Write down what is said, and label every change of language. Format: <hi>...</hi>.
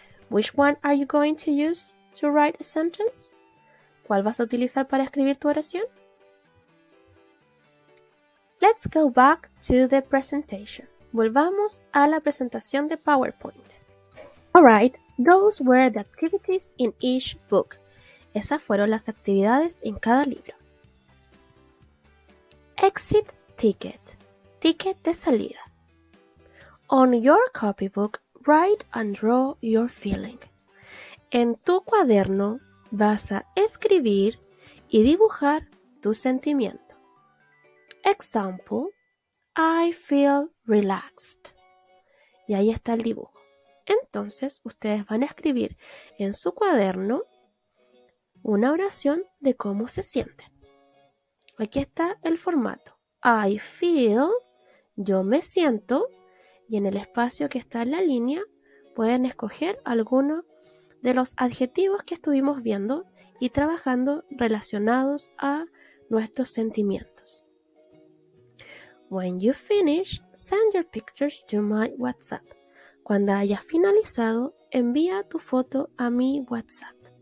<en>Which one are you going to use to write a sentence?</en> <es>¿Cuál vas a utilizar para escribir tu oración?</es> <en>Let's go back to the presentation.</en> <es>Volvamos a la presentación de PowerPoint.</es> <en>Alright, those were the activities in each book.</en> <es>Esas fueron las actividades en cada libro.</es> <en>Exit ticket.</en> <es>Ticket de salida.</es> <en>On your copybook, write and draw your feeling.</en> <es>En tu cuaderno vas a escribir y dibujar tu sentimiento.</es> <en>Example, I feel relaxed.</en> <es>y ahí está el dibujo. Entonces, ustedes van a escribir en su cuaderno una oración de cómo se sienten. Aquí está el formato.</es> <en>I feel,</en> <es>yo me siento, y en el espacio que está en la línea, pueden escoger alguno de los adjetivos que estuvimos viendo y trabajando relacionados a nuestros sentimientos.</es> <en>When you finish, send your pictures to my WhatsApp.</en> <es>Cuando hayas finalizado, envía tu foto a mi WhatsApp.</es>